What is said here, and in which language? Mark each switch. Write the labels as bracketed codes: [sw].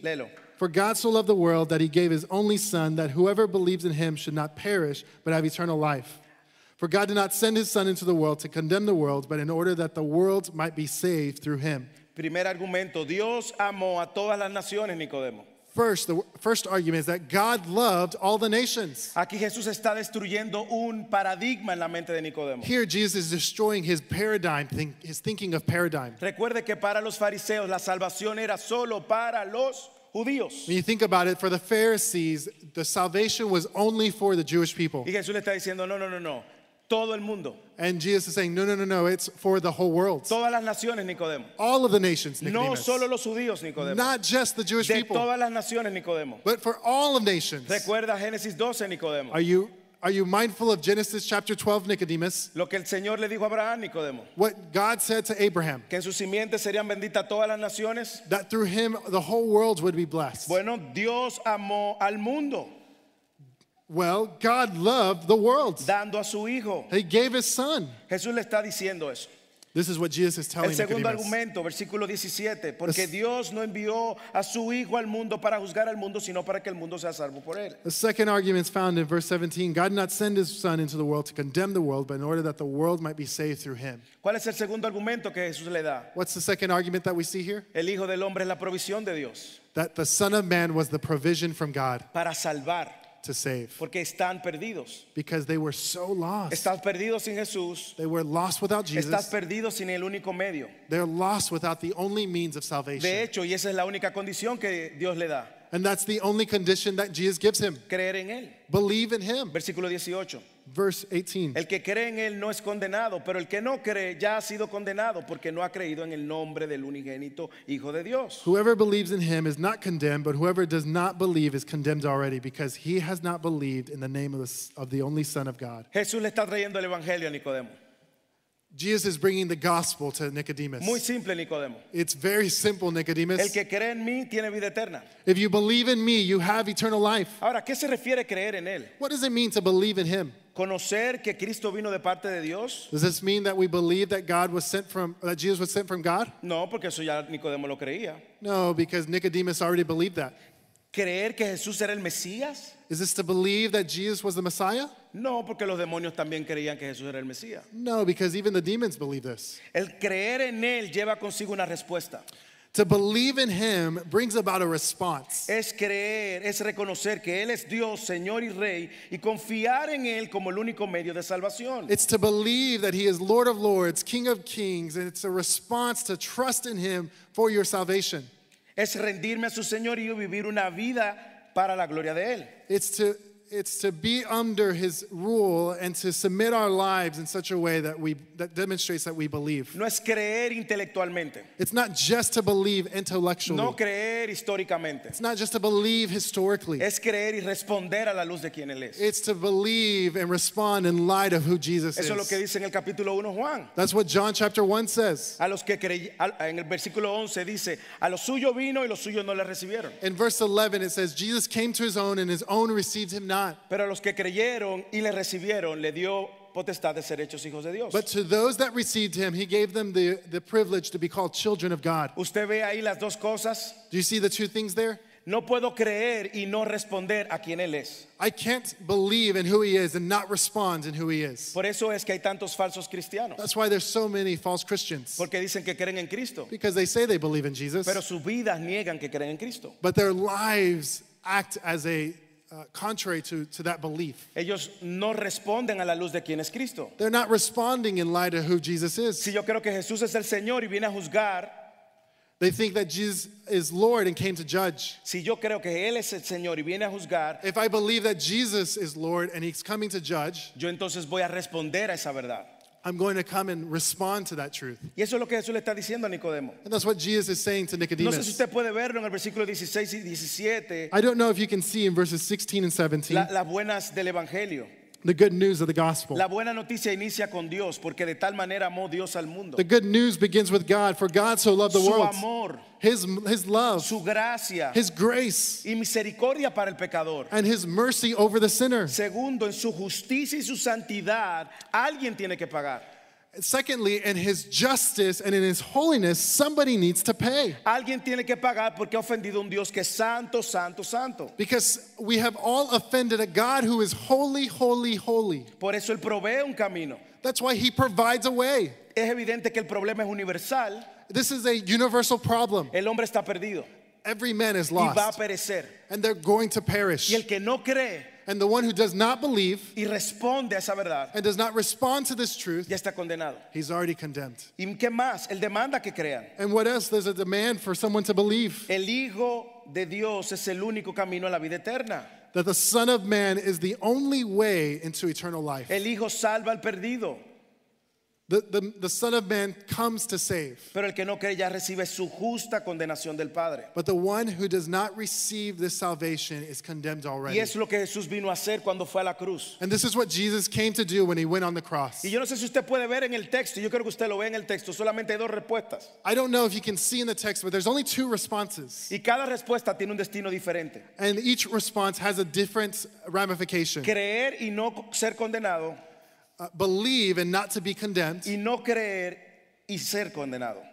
[es] Léelo. [en] For God so loved the world that he gave his only son, that whoever believes in him should not perish, but have eternal life. For God did not send his son into the world to condemn the world, but in order that the world might be saved through him. [es] Primer argumento, Dios amó a todas las naciones, Nicodemo. [en] First, the first argument is that God loved all the nations. [es] Aquí Jesús está destruyendo un paradigma en la mente de Nicodemo. [en] Here Jesus is destroying his paradigm, his thinking of paradigm. [es] Recuerde que para los fariseos la salvación era solo para los judíos. [en] When you think about it, for the Pharisees, the salvation was only for the Jewish people. [es] Y Jesús le está diciendo, no, no, no, no. Todo el mundo. [en] And Jesus is saying, no, no, no, no, it's for the whole world. [es] Todas las naciones, Nicodemo. [en] All of the nations, Nicodemus. [es] No solo los judíos, Nicodemo. [en] Not just the Jewish [es] de [en] people. [es] Todas las naciones, Nicodemo. [en] But for all of nations. [es] Recuerda Génesis 12, Nicodemo. [en] Are you mindful of Genesis chapter 12, Nicodemus? [es] Lo que el Señor le dijo a Abraham, Nicodemo. [en] What God said to Abraham. [es] Que en su simiente serían benditas todas las naciones. [en] That through him the whole world would be blessed. [es] Bueno, Dios amó al mundo. [en] Well, God loved the world. [es] Dando a su hijo. [en] He gave his son. [es] Jesús le está diciendo eso. [en] This is what Jesus is telling [es] El segundo [en] Nicodemus. [es] Argumento, versículo 17, porque Dios no envió a su hijo al mundo para juzgar al mundo, sino para que el mundo sea salvo por él. [en] The second argument is found in verse 17. God did not send his son into the world to condemn the world, but in order that the world might be saved through him. [es] ¿Cuál es el segundo argumento que Jesús le da? [en] What's the second argument that we see here? [es] El hijo del hombre es la provisión de Dios. [en] That the Son of Man was the provision from God. [es] Para salvar. [en] To save. [es] Porque están perdidos. [en] Because they were so lost. [es] Estás perdido sin Jesús. [en] They were lost without Jesus. [es] Estás perdido sin el único medio. [en] They're lost without the only means of salvation. [es] De hecho, y esa es la única condición que Dios le da. [en] And that's the only condition that Jesus gives him. [es] Creer en él. [en] Believe in him. [es] Versículo 18. [en] 18. [es] El que cree en él no es condenado, pero el que no cree ya ha sido condenado porque no ha creído en el nombre del unigénito Hijo de Dios. [en] Whoever believes in him is not condemned, but whoever does not believe is condemned already because he has not believed in the name of the only Son of God. [es] Jesús le está trayendo el evangelio a Nicodemo. [en] Jesus is bringing the gospel to Nicodemus. [es] Muy simple, Nicodemo. [en] It's very simple, Nicodemus. [es] El que cree en mí, tiene vida eterna. [en] If you believe in me, you have eternal life. [es] Ahora, ¿qué se refiere a creer en él? [en] What does it mean to believe in him? [es] Conocer que Cristo vino de parte de Dios. [en] Does this mean that we believe that God was sent from, that Jesus was sent from God? [es] No, porque eso ya Nicodemo lo creía. [en] No, because Nicodemus already believed that. [es] ¿Creer que Jesús era el Mesías? [en] Is this to believe that Jesus was the Messiah? [es] No, porque los demonios también creían que Jesús era el Mesías. [en] No, because even the demons believe this. [es] El creer en él lleva consigo una respuesta. [en] To believe in him brings about a response. [es] Es creer, es reconocer que él es Dios, Señor y Rey, y confiar en él como el único medio de salvación. [en] It's to believe that he is Lord of Lords, King of Kings, and it's a response to trust in him for your salvation. [es] Es rendirme a su señorío y vivir una vida para la gloria de él. [en] It's to be under his rule and to submit our lives in such a way that demonstrates that we believe. [es] No es creer intelectualmente. [en] It's not just to believe intellectually. [es] No creer históricamente. [en] It's not just to believe historically. [es] Es creer y responder a la luz de quien él es. [en] It's to believe and respond in light of who Jesus [es] is. Eso es lo que dice en el capítulo 1 Juan. [en] That's what John chapter 1 says. [es] A los que en el versículo 11 dice, a los suyos vino y los suyos no le recibieron. [en] In verse 11 it says Jesus came to his own and his own received him not. [es] Pero a los que creyeron y le recibieron le dio potestad de ser hechos hijos de Dios. [en] But to those that received him, he gave them the privilege to be called children of God. [es] ¿Usted ve ahí las dos cosas? [en] Do you see the two things there? [es] No puedo creer y no responder a quien él es. [en] I can't believe in who he is and not respond in who he is. [es] Por eso es que hay tantos falsos cristianos. [en] That's why there's so many false Christians. [es] Porque dicen que creen en Cristo. [en] Because they say they believe in Jesus. [es] Pero sus vidas niegan que creen en Cristo. [en] But their lives act as a contrary to that belief. [es] Ellos no responden a la luz de quién es Cristo. [en] They're not responding in light of who Jesus is. [es] Si yo creo que Jesús es el Señor y viene a juzgar. [en] They think that Jesus is Lord and came to judge. [es] Si yo creo que él es el Señor y viene a juzgar. [en] If I believe that Jesus is Lord and he's coming to judge. [es] Yo entonces voy a responder a esa verdad. [en] I'm going to come and respond to that truth. [es] Y eso es lo que Jesús le está diciendo a Nicodemo. [en] And that's what Jesus is saying to Nicodemus. [es] No sé si usted puede verlo en el versículo 16 y 17. [en] I don't know if you can see in verses 16 and 17. [es] Las buenas del evangelio. [en] The good news of the gospel. [es] La buena noticia inicia con Dios, porque de tal manera amó Dios al mundo. [en] The good news begins with God, for God so loved the [es] su [en] world. [es] Amor, [en] his love. [es] Su gracia. [en] His grace. [es] Y misericordia para el pecador. [en] And his mercy over the sinner. [es] Segundo, en su justicia y su santidad, alguien tiene que pagar. [en] Secondly, in his justice and in his holiness, somebody needs to pay. [es] Alguien tiene que pagar porque ha ofendido un Dios que es santo, santo, santo. [en] Because we have all offended a God who is holy, holy, holy. [es] Por eso él provee un camino. [en] That's why he provides a way. [es] Es evidente que el problema es universal. [en] This is a universal problem. [es] El hombre está perdido. [en] Every man is lost. [es] Y va a perecer. [en] And they're going to perish. [es] Y el que no cree. [en] And the one who does not believe [es] y responde a esa verdad, [en] and does not respond to this truth, [es] ya está condenado. [en] He's already condemned. [es] ¿Y qué más? Él demanda que crean. [en] And what else? There's a demand for someone to believe. [es] El Hijo de Dios es el único camino a la vida eterna. [en] That the Son of Man is the only way into eternal life. [es] El Hijo salva al perdido. [en] The Son of Man comes to save. [es] Pero el que no cree ya recibe su justa condenación del Padre. [en] But the one who does not receive this salvation is condemned already. [es] Y es lo que Jesús vino a hacer cuando fue a la cruz. [en] And this is what Jesus came to do when he went on the cross. [es] Y yo no sé si usted puede ver en el texto. Yo creo que usted lo ve en el texto. Solamente hay dos respuestas. [en] I don't know if you can see in the text, but there's only two responses. [es] Y cada respuesta tiene un destino diferente. [en] And each response has a different ramification. [es] Creer y no ser condenado. [en] Believe and not to be condemned. [es] Y no creer y ser condenado.